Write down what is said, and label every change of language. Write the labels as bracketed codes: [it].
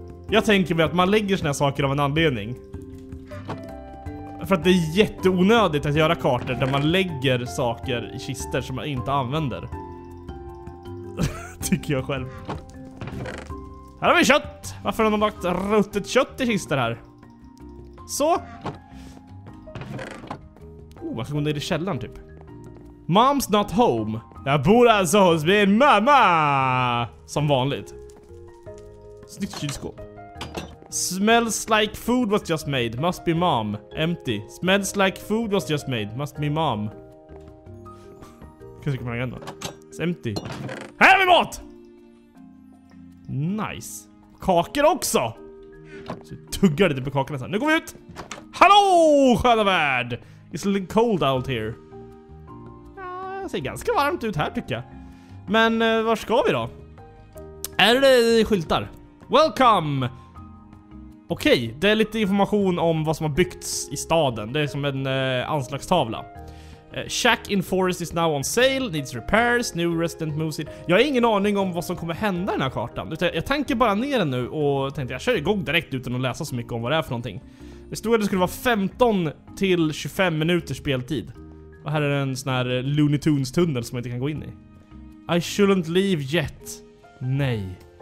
[sv] Jag tänker mig att man lägger såna här saker av en anledning. För att det är jätteonödigt att göra kartor där man lägger saker i kister som man inte använder. Tycker jag själv. Här har vi kött! Varför har man lagt ruttet kött i kister här? Så! Oh, man ska gå ner i källaren typ. [en] Mom's not home. [sv] Jag bor alltså hos min mamma. Som vanligt. Snyggt kylskåp. [en] Smells like food was just made. Must be mom. Empty. Smells like food was just made. Must be mom. [sv] Kanske kommer jag igen då. [en] It's empty. [sv] Här har vi mat! Nice. Kakor också! Så jag tuggar lite på kakorna sen. Nu går vi ut! Hallå, sköna värld! [en] It's a little cold out here. [sv] Det ser ganska varmt ut här tycker jag. Men var ska vi då? Är det skyltar? Welcome! Okej, okay, det är lite information om vad som har byggts i staden. Det är som en anslagstavla. [en] Shack in forest is now on sale. Needs repairs. New resident moves in. [sv] Jag har ingen aning om vad som kommer hända i den här kartan. Jag tänker bara ner den nu och tänkte jag kör igång direkt utan att läsa så mycket om vad det är för någonting. Det stod att det skulle vara 15 till 25 minuters speltid. Och här är en sån här Looney Tunes-tunnel som jag inte kan gå in i. [en] I shouldn't leave yet. [sv] Nej.